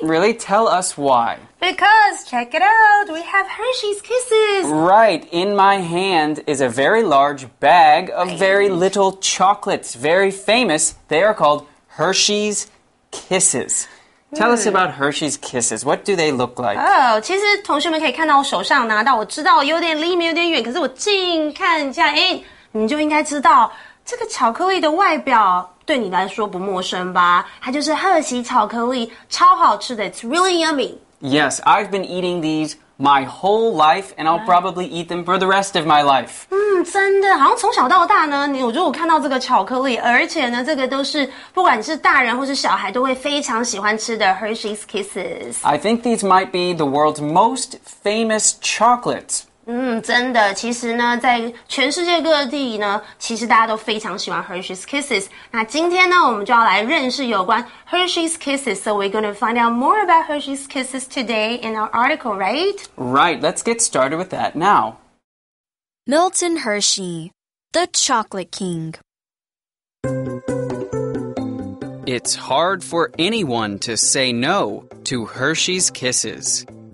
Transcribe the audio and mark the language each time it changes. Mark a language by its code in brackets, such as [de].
[en] Really, tell us why. Because, check it out, we have Hershey's Kisses! Right, in my hand is a very large bag of very Right. little chocolates, very famous. They are called Hershey's Kisses. Tell us about Hershey's Kisses. What do they look like? [zh] 其实同学们可以看到我手上拿到，我知道有点离你们有点远，可是我近看一下，哎，你就应该知道这个巧克力的外表。对你来说不陌生吧？它就是赫喜巧克力，超好吃的， [en] It's really yummy。 Yes, I've been eating these my whole life, and I'll probably eat them for the rest of my life. [zh] 真的，好像从小到大呢，我就有看到这个巧克力，而且呢，这个都是不管你是大人或是小孩，都会非常喜欢吃的 Hershey's Kisses。 [en] I think these might be the world's most famous chocolates. [zh] 真的，其实呢，在全世界各地呢，其实大家都非常喜欢 Hershey's Kisses。那今天呢，我们就要来认识有关 Hershey's Kisses。 [en] So we're going to find out more about Hershey's Kisses today in our article, right? Right, let's get started with that now. Milton Hershey, the Chocolate King. It's hard for anyone to say no to Hershey's Kisses.